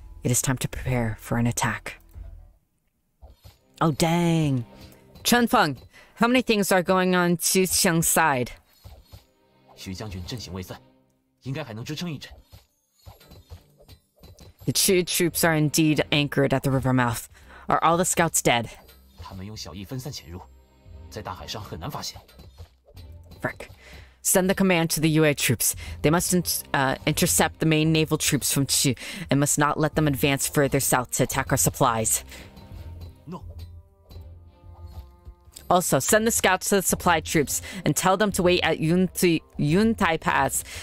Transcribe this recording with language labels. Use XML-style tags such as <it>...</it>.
<en>It is time to prepare for an attack. Oh, dang. Chen Feng, how many things are going on Qi Cheng's side?</en> <zh>Xu Jiangjun, 阵型未散, 应该还能支撑一阵.</zh> <en>The Qi troops are indeed anchored at the river mouth. Are all the scouts dead?</en> <zh>他们用小翼分散潜入, 在大海上很难发现.</zh> <en>Frick. Send the command to the Yue troops. They must intercept the main naval troops from Qi and must not let them advance further south to attack our supplies. Also, send the scouts to the supply troops and tell them to wait at Yuntai Pass.</en>